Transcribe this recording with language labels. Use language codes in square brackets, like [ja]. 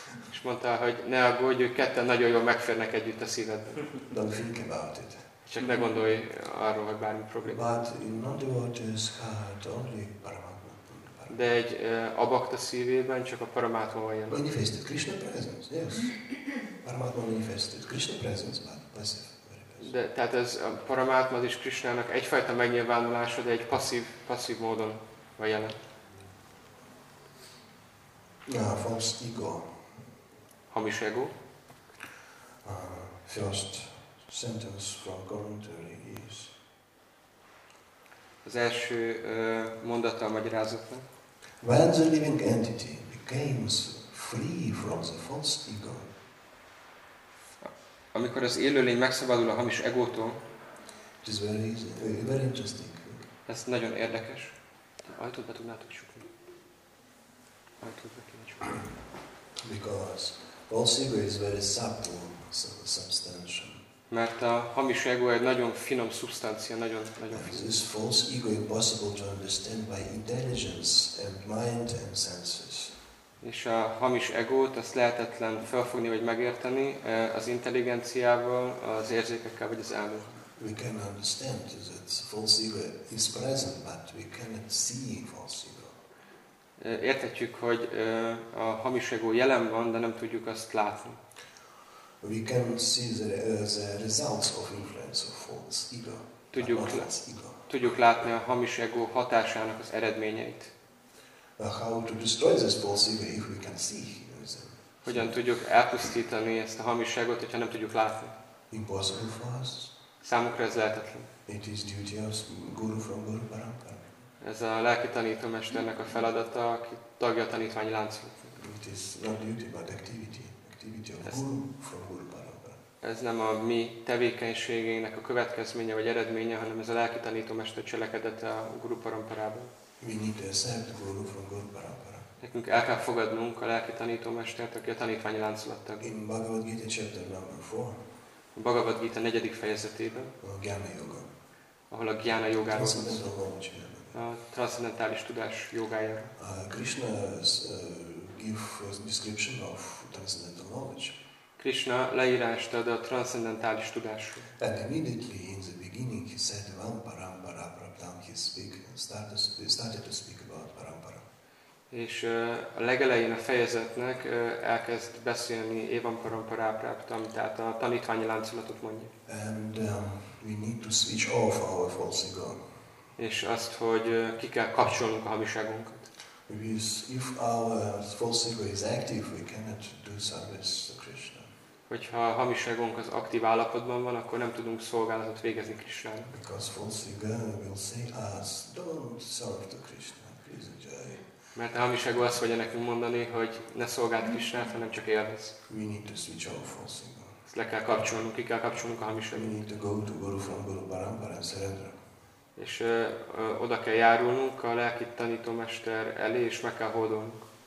[hu] És mondta, hogy ne aggódj, ők ketten nagyon jól megférnek együtt a szívedben. [en] Don't think about it. [hu] Csak ne gondolj arról, hogy bármi probléma. [en] But in non-devotee's heart only Paramatma. [hu] De egy abakta szívében csak a Paramatma van jelen. [en] Manifested Krishna presence, yes. Paramatma manifested Krishna presence, but passive, very passive. [hu] De tehát ez a Paramatma az is Krishnának egyfajta megnyilvánulása, de egy passzív módon van jelen. [en] False ego. [hu] Hamis ego. [en] First sentence from commentary is. [hu] Az első mondata a magyarázatnak. [en] When the living entity becomes free from the false ego, [hu] amikor az élőlény megszabadul a hamis egótól, [en] it is very easy, very interesting. [hu] Ez nagyon érdekes. Ajtót be tudnátok csukni. Ajtót be kéne csukni. [en] Because false ego is very subtle, substantial. [hu] Mert a hamis ego egy nagyon finom szubstancia, nagyon finom. [en] This false ego is possible to understand by intelligence and mind and senses. [hu] És a hamis egót azt lehetetlen felfogni vagy megérteni az intelligenciával, az érzékekkel vagy az elmével. [en] We can understand that false ego is present, but we cannot see false ego. [hu] Érthetjük, hogy a hamis ego jelen van, de nem tudjuk azt látni. [en] We can see the results of influence of false ego. [hu] Tudjuk látni a hamis ego hatásának az eredményeit. [en] How to destroy this false ego if we can see them? [hu] Hogyan tudjuk elpusztítani ezt a hamis egót, hogyha nem tudjuk látni? [en] Impossible for us. [hu] Számukra ez lehetetlen. [en] It is duty of guru from Guru Parampara. [hu] Ez a lelki tanítómesternek a feladata, aki tagja a tanítványi láncnak. [en] It is not duty but activity. Activity of guru from Guru Parampara. [hu] ez nem a mi tevékenységének a következménye vagy eredménye, hanem ez a lelki tanítómester cselekedete a Guru Paramparában. [en] We need to accept Guru from Guru Parampara. [hu] Nekünk el kell fogadnunk a lelki tanítómestert, aki a tanítványi láncolat tag. [en] In Bhagavad Gita chapter number 4. [hu] A Bhagavad Gita 4. fejezetében. A Gyána Yoga. Ahol a Gyána Yogára szól. A transzcendentális tudás jogájára. [en] Krishna give description of transcendental knowledge. [hu] Krishna leírást ad a transzcendentális tudásról. [en] And immediately in the beginning he said one [sa] parampara praptam [en] he speak started to speak about parampara. [hu] És a legelején a fejezetnek elkezd beszélni [sa] Evan Parampara praptam, [hu] tehát a tanítványi láncolatot mondja. [en] And we need to switch off our false ego. [hu] És azt, hogy ki kell kapcsolnunk a hamiságunkat. [en] If our false ego is active, we cannot do service to Krishna. [hu] Hogyha a hamiságunk az aktív állapotban van, akkor nem tudunk szolgálatot végezni Krishnának. [en] Because false ego will say us, don't serve to Krishna, please enjoy. [hu] Mert a hamiság azt fogja nekünk mondani, hogy ne szolgáld Krishnát, hanem csak élvezz. [en] We need to switch off false ego. [hu] Ezt le kell kapcsolnunk, ki kell kapcsolnunk a hamiságunk. [en] We need to go to Guru from Guru Parampara and surrender. [hu] És oda kell járulnunk a lelki tanítómester elé, és meg kell hódolnunk.